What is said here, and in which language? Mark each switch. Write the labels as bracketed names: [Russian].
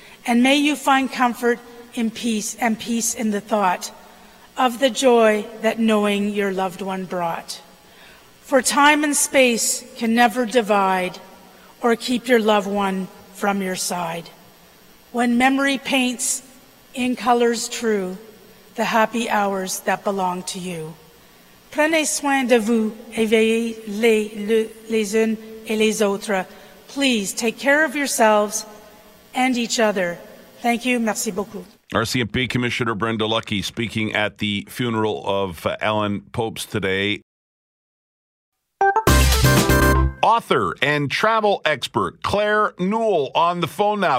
[English] And may you find comfort in peace and peace in the thought of the joy that knowing your loved one brought. For time and space can never divide or keep your loved one from your side. When memory paints in colors true the happy hours that belong to you. [French] Prenez soin de vous et veillez les uns et les autres. [English] Please take care of yourselves and each other. Thank you. [French] Merci beaucoup. [English] RCMP Commissioner Brenda Luckey speaking at the funeral of Alan Popes today. Author and travel expert Claire Newell on the phone now.